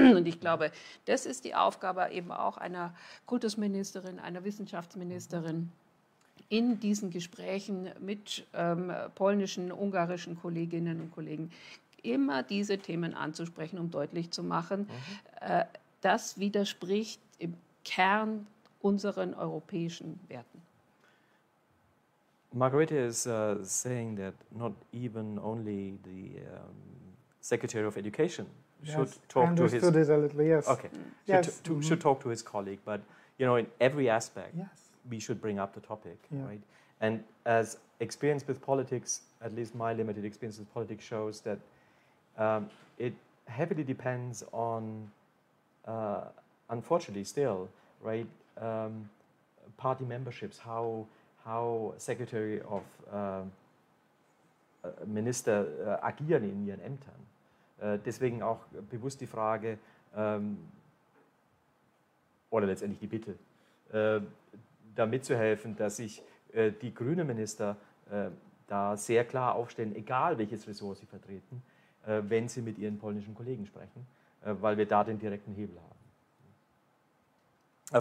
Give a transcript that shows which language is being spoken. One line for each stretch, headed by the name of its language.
German: Und ich glaube, das ist die Aufgabe eben auch einer Kultusministerin, einer Wissenschaftsministerin, in diesen Gesprächen mit polnischen, ungarischen Kolleginnen und Kollegen immer diese Themen anzusprechen, um deutlich zu machen, das widerspricht im Kern unseren europäischen Werten.
English: Margarete is saying that not even only the Secretary of Education should talk to his... should talk to his colleague, but, you know, in every aspect... Yes. We should bring up the topic, right? And as experience with politics, at least my limited experience with politics shows that it heavily depends on, unfortunately still, right, party memberships, how secretary of minister
German: agieren in ihren Ämtern. Deswegen auch bewusst die Frage, oder letztendlich die Bitte, damit zu helfen, dass sich die grünen Minister da sehr klar aufstellen, egal welches Ressort sie vertreten, wenn sie mit ihren polnischen Kollegen sprechen, weil wir da den direkten Hebel haben.